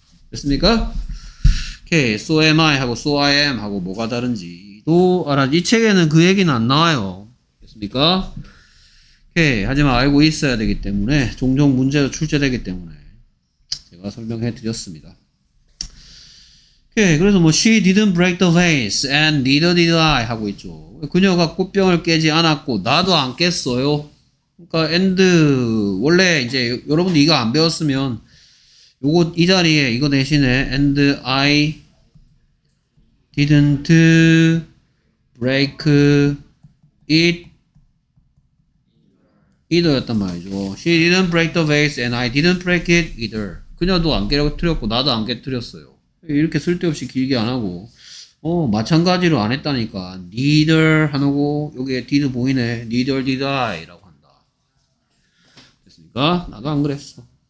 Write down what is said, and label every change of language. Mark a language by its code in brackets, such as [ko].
[ko] 됐습니까? Okay, [en] so am I [ko] 하고 [en] so I am [ko] 하고 뭐가 다른지 또 알아. 이 책에는 그 얘기는 안 나와요. 됐습니까? Okay, 하지만 알고 있어야 되기 때문에 종종 문제도 출제되기 때문에 제가 설명해 드렸습니다. [en] Okay, [ko] 그래서 뭐 [en] she didn't break the vase and neither did I [ko] 하고 있죠. 그녀가 꽃병을 깨지 않았고 나도 안 깼어요. 그러니까 and 원래 이제 여러분들 이거 안 배웠으면 요거 이 자리에 이거 대신에 [en] and I didn't break it either [ko] 였단 말이죠. [en] She didn't break the vase and I didn't break it either. [ko] 그녀도 안 깨뜨렸고 나도 안 깨뜨렸어요. 이렇게 쓸데없이 길게 안 하고 어 마찬가지로 안 했다니까 neither 하고 여기에 did 보이네 [en] neither did I [ko] 라고 한다. 됐습니까? 나도 안 그랬어.